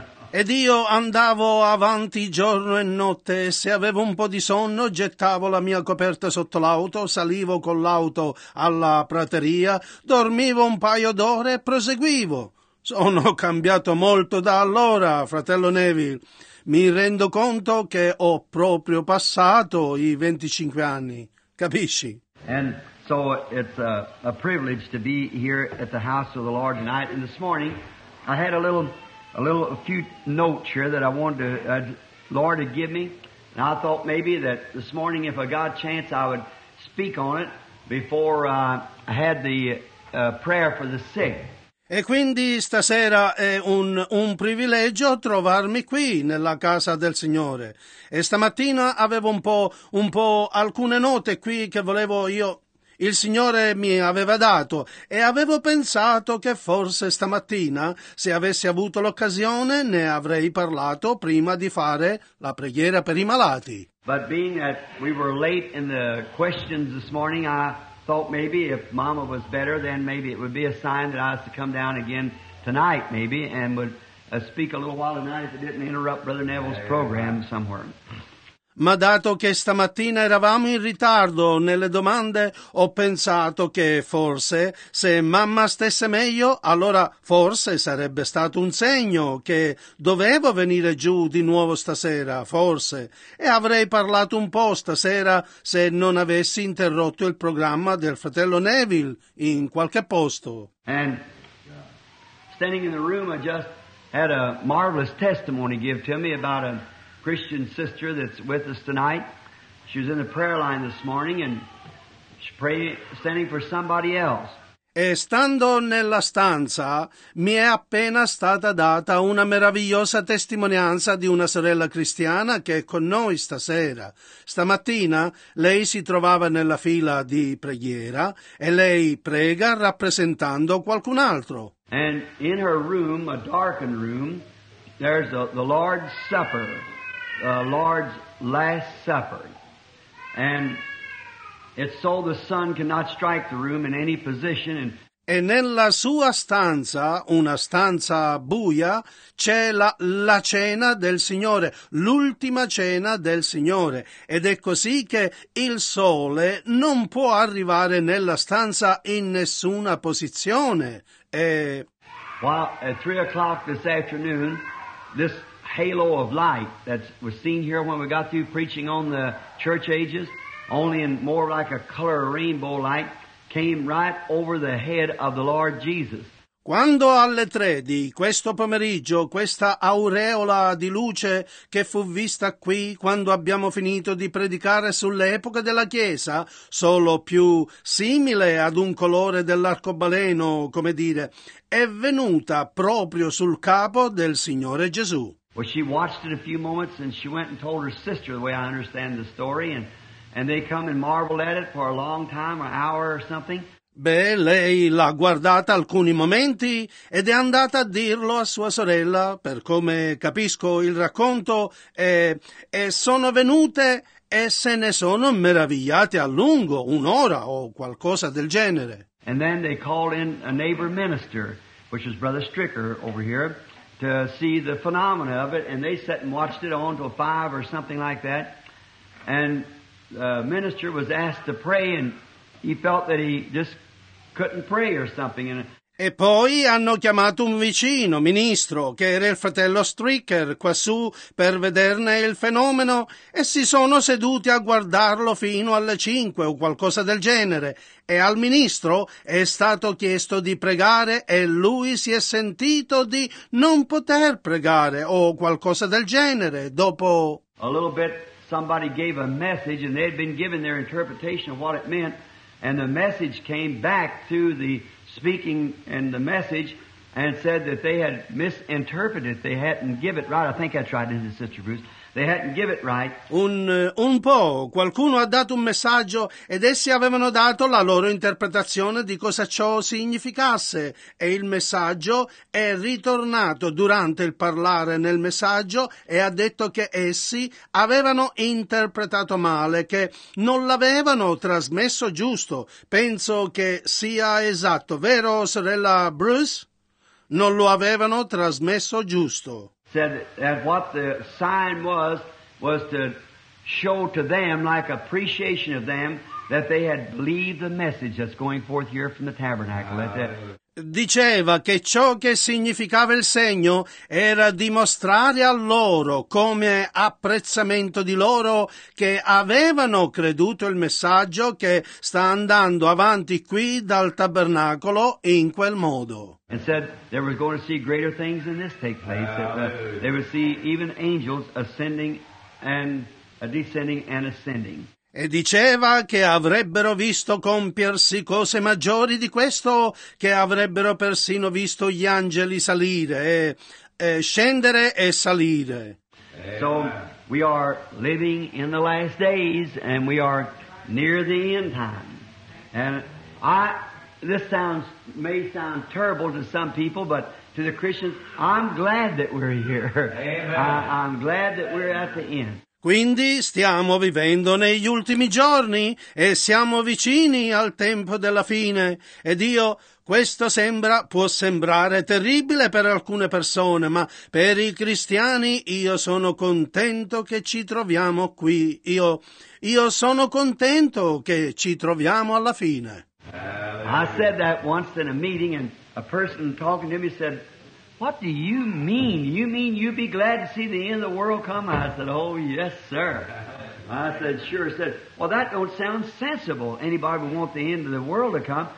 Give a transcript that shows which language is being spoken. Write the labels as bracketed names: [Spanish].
[Italian] Ed io andavo avanti giorno e notte, se avevo un po' di sonno gettavo la mia coperta sotto l'auto, salivo con l'auto alla prateria, dormivo un paio d'ore e proseguivo. Sono cambiato molto da allora, fratello Neville. Mi rendo conto che ho proprio passato i 25 anni, capisci? [English] And so it's a privilege to be here at the house of the Lord tonight. And this morning I had a few notes here that I wanted to, Lord had given me. And I thought maybe that this morning if I got a chance I would speak on it before I had the prayer for the sick. [Italian] E quindi stasera è un privilegio trovarmi qui nella casa del Signore. E stamattina avevo un po' alcune note qui che volevo io. Il Signore mi aveva dato e avevo pensato che forse stamattina, se avessi avuto l'occasione, ne avrei parlato prima di fare la preghiera per i malati. [English] But being that we were late in the questions this morning, I thought maybe if Mama was better, then maybe it would be a sign that I was to come down again tonight, maybe, and would speak a little while tonight if it didn't interrupt Brother Neville's program somewhere. [Italian] Ma dato che stamattina eravamo in ritardo nelle domande, ho pensato che forse se mamma stesse meglio, allora forse sarebbe stato un segno che dovevo venire giù di nuovo stasera, forse, e avrei parlato un po' stasera se non avessi interrotto il programma del fratello Neville in qualche posto. [English] And standing in the room I just had a marvelous testimony give to me about a Christian sister that's with us tonight. She was in the prayer line this morning and she's praying, standing for somebody else. [Italian] E stando nella stanza, mi è appena stata data una meravigliosa testimonianza di una sorella cristiana che è con noi stasera. Stamattina lei si trovava nella fila di preghiera e lei prega rappresentando qualcun altro. [English] And in her room, a darkened room, there's the Lord's Supper. Lord's Last Supper, and it's so the sun cannot strike the room in any position. And [Italian] e nella sua stanza, una stanza buia, c'è la cena del Signore, l'ultima cena del Signore, ed è così che il sole non può arrivare nella stanza in nessuna posizione. E [English] while at 3 o'clock this afternoon, this halo of light that was seen here when we got through preaching on the church ages, only in more like a color of rainbow light, came right over the head of the Lord Jesus. [Italian] Quando alle tre di questo pomeriggio questa aureola di luce che fu vista qui quando abbiamo finito di predicare sull'epoca della Chiesa, solo più simile ad un colore dell'arcobaleno, come dire, è venuta proprio sul capo del Signore Gesù. [English] Well, she watched it a few moments, and she went and told her sister, the way I understand the story, and they come and marveled at it for a long time, an hour or something. [Italian] Beh, lei l'ha guardata alcuni momenti ed è andata a dirlo a sua sorella, per come capisco il racconto, e sono venute e se ne sono meravigliate a lungo, un'ora o qualcosa del genere. [English] And then they called in a neighbor minister, which is Brother Stricker over here, to see the phenomena of it, and they sat and watched it on till 5 or something like that. And the minister was asked to pray, and he felt that he just couldn't pray or something. [Italian] E poi hanno chiamato un vicino ministro, che era il fratello Stricker, quassù, per vederne il fenomeno, e si sono seduti a guardarlo fino alle 5 o qualcosa del genere. E al ministro è stato chiesto di pregare e lui si è sentito di non poter pregare o qualcosa del genere. Dopo [English] a little bit somebody gave a message and they'd been given their interpretation of what it meant, and the message came back to the speaking in the message and said that they had misinterpreted, they hadn't give it right. I think that's right, isn't it, Sister Bruce? They hadn't give it right. [Italian] Un po', qualcuno ha dato un messaggio ed essi avevano dato la loro interpretazione di cosa ciò significasse, e il messaggio è ritornato durante il parlare nel messaggio e ha detto che essi avevano interpretato male, che non l'avevano trasmesso giusto. Penso che sia esatto, vero, sorella Bruce? Non lo avevano trasmesso giusto. [English] said that what the sign was to show to them, like appreciation of them, that they had believed the message that's going forth here from the tabernacle. [Italian] Diceva che ciò che significava il segno era dimostrare a loro come apprezzamento di loro che avevano creduto il messaggio che sta andando avanti qui dal tabernacolo in quel modo. [English] And said they were going to see greater things than this take place. They would see even angels ascending and descending and ascending. [Italian] E diceva che avrebbero visto compiersi cose maggiori di questo, che avrebbero persino visto gli angeli salire, scendere e salire. [English] So we are living in the last days and we are near the end time. And this may sound terrible to some people, but to the Christians, I'm glad that we're here. I'm glad that we're at the end. [Italian] Quindi stiamo vivendo negli ultimi giorni e siamo vicini al tempo della fine. Ed io, questo sembra, può sembrare terribile per alcune persone, ma per i cristiani io sono contento che ci troviamo qui. Io sono contento che ci troviamo alla fine. [English] I said that once in a meeting and a person talking to me said, "What do you mean? You mean you'd be glad to see the end of the world come?" I said, "Oh, yes, sir." I said, "Sure." I said, "Well, that don't sound sensible. Anybody would want the end of the world to come."